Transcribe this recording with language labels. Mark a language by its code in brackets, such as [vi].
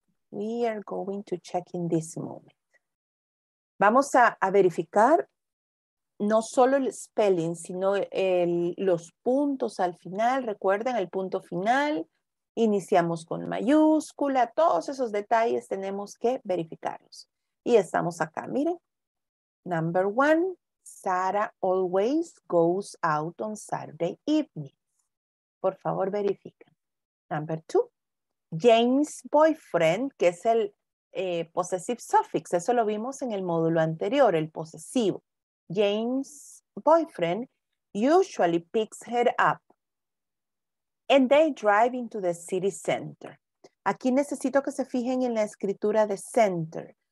[en] We are going to check in this moment. [es] Vamos a verificar no solo el spelling, sino los puntos al final. Recuerden el punto final. Iniciamos con mayúscula. Todos esos detalles tenemos que verificarlos. Y estamos acá, miren. [en] Number one. Sarah always goes out on Saturday evening. [es] Por favor, verifiquen. [en] Number two, Jane's boyfriend, [es] que es el possessive suffix. Eso lo vimos en el módulo anterior, el posesivo. [en] Jane's boyfriend usually picks her up and they drive into the city center. [es] Aquí necesito que se fijen en la escritura de center.